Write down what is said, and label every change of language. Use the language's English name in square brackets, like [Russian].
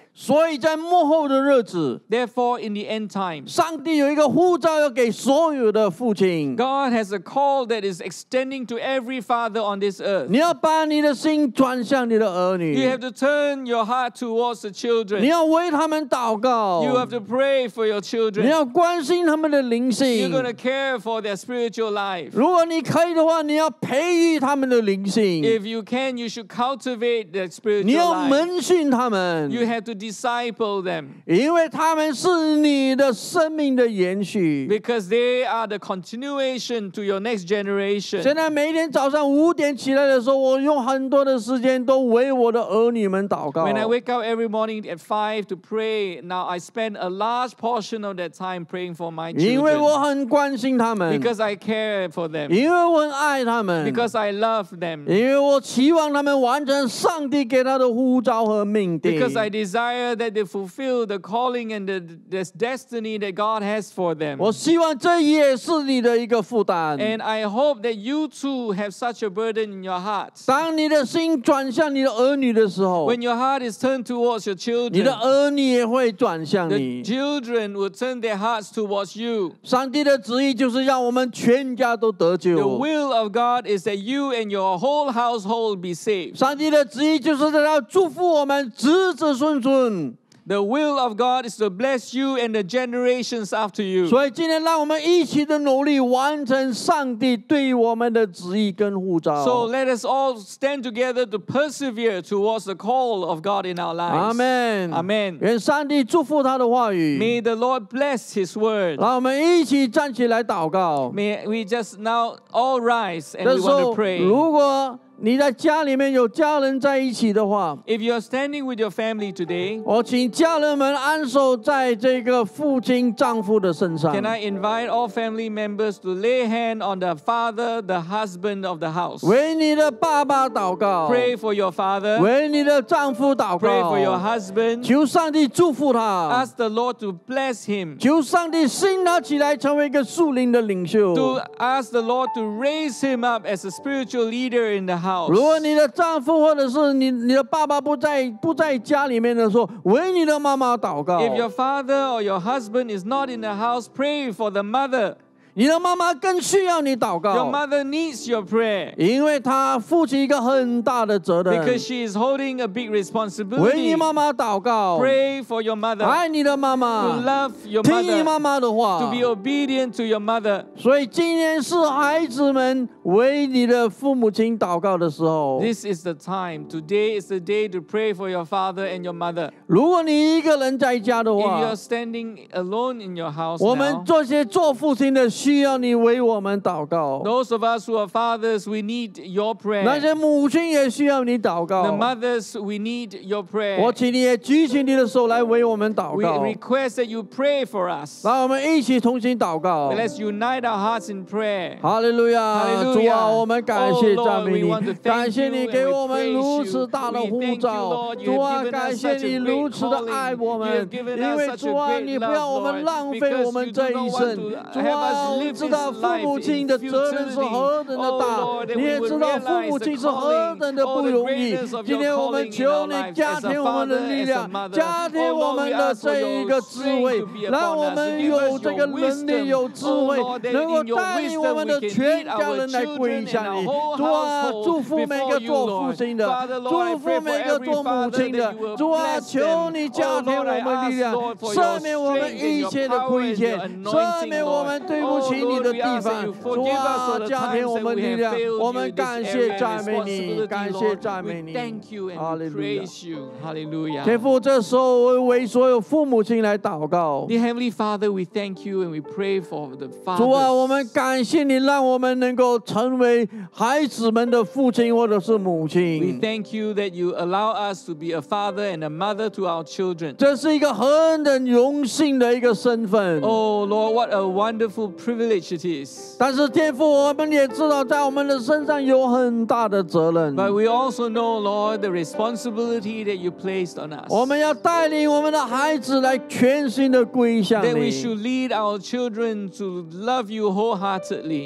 [Chinese] 所以在末后的日子 [English] ，Therefore in the end time, [Chinese] 上帝有一个呼召要给所有的父亲。 [English] God has a call that is extending to every father on this earth. [Chinese] 你要把你的心转向你的儿女。 [English] You have to turn your heart towards the children. [Chinese] 你要为他们祷告。 [English] You have to pray for your children. [Chinese] 你要关心他们的灵性。 [English] You're going to care for their spiritual life. [Chinese] 如果你可以的话，你要培育他们的灵性。 [English] If you can, you should cultivate their spiritual life. [Chinese] 你要门训他们。 [English] You have to disciple them. [Chinese] 因为他们是你的生命的延续。 [English] Because they are the continuation to your next generation. [Chinese] 现在每天早上五点起来的时候，我用很多的时间都为我的儿女们祷告。 [English] When I wake up every morning at 5 to pray, now I spend a large portion of that time praying for my children. [Chinese] 因为我很关心他们。 [English] Because I care for them. [Chinese] 因为我很爱他们。 [English] Because I love them. [Chinese] 因为我期望他们完成上帝给他的呼召和命定。 [English] Because I desire that they fulfill the calling and the destiny that God has for them. [Chinese] 我希望这也是你的一个负担。 [English] And I hope that you too have such a burden in your heart. [Chinese] 当你的心转向你的儿女的时候 [English] When your heart is turned towards your children, [Chinese] 你的儿女也会转向你。 [English] The children will turn their hearts towards you. [Chinese] 上帝的旨意就是让我们全家都得救。 [English] The will of God is that you and your whole household be saved. [Chinese] 上帝的旨意就是要祝福我们子子孙孙。 [English] The will of God is to bless you and the generations after you. [Chinese] 所以今天让我们一起的努力完成上帝对我们的旨意跟呼召。 [English] So let us all stand together to persevere towards the call of God in our lives. Amen. Amen. [Chinese] 愿上帝祝福他的话语。 [English] May the Lord bless his word. [Chinese] 让我们一起站起来祷告。 [English] May we just now all rise and we want to pray. [Chinese] 如果你在家里面有家人在一起的话 [English] If you are standing with your family today [Chinese] 我请家人们安守在这个父亲丈夫的身上 [English] Can I invite all family members to lay hand on the father, the husband of the house [Chinese] 为你的爸爸祷告 [English] Pray for your father [Chinese] 为你的丈夫祷告 [English] Pray for your husband [Chinese] 求上帝祝福他 [English] Ask the Lord to bless him [Chinese] 求上帝兴他起来成为一个属灵的领袖 [English] To ask the Lord to raise him up as a spiritual leader in the [Chinese] 如果你的丈夫或者是 你的爸爸不在家里面的时候为你的妈妈祷告 [English] If your father or your husband is not in the house pray for the mother [Chinese] 你的妈妈更需要你祷告 [English] Your mother needs your prayer [Chinese] 因为她负起一个很大的责任 [English] Because she is holding a big responsibility [Chinese] 为你妈妈祷告 [English] Pray for your mother [Chinese] 爱你的妈妈 [English] To love your mother [Chinese] 听你妈妈的话 [English] To be obedient to your mother [Chinese] 所以今天是孩子们为你的父母亲祷告的时候 [English] This is the time. Today is the day to pray for your father and your mother. [Chinese] 如果你一个人在家的话 [English] If you're standing alone in your house now, [Chinese] 我们这些做父亲的需要你为我们祷告 [English] Those of us who are fathers, we need your prayer. [Chinese] 那些母亲也需要你祷告 [English] The mothers, we need your prayer. [Chinese] 我请你也举起你的手来为我们祷告 [English] We request that you pray for us. [Chinese] 让我们一起同心祷告 [English] Let's unite our hearts in prayer. Hallelujah. Hallelujah. [Chinese] 主啊我们感谢赞美你感谢你给我们如此大的呼召主啊感谢你如此的爱我们因为主啊你不要我们浪费我们这一生主啊我们知道父母亲的责任是何等的大，你也知道父母亲是何等的不容易。今天我们求你加添我们的力量，加添我们的这一个智慧，让我们有这个能力，有智慧，能够带领我们的全家人来归向你。主啊，祝福每个做父亲的，祝福每个做母亲的。主啊，求你加添我们力量，赦免我们一切的亏欠，赦免我们对不起你的地方。主啊，加添我们力量，我们感谢赞美你，感谢赞美你。哈利路亚，天父，这时候我为所有父母亲来祷告。 [English] The Heavenly Father, we thank you and we pray for the fathers. [Chinese] 主啊，我们感谢你，让我们能够成为孩子们的父亲或者是母亲。 [English] We thank you that you allow us to be a father and a mother to our children. [Chinese] 这是一个何等荣幸的一个身份。 [English] Oh Lord, what a wonderful privilege it is. [Chinese] 但是天父，我们也知道在我们的身上有很大的责任。 [English] But we also know, Lord, the responsibility that you placed on us. [Chinese] 我们要带领我们的孩子来全心的归向你。 [English] That we should lead our children to love you wholeheartedly.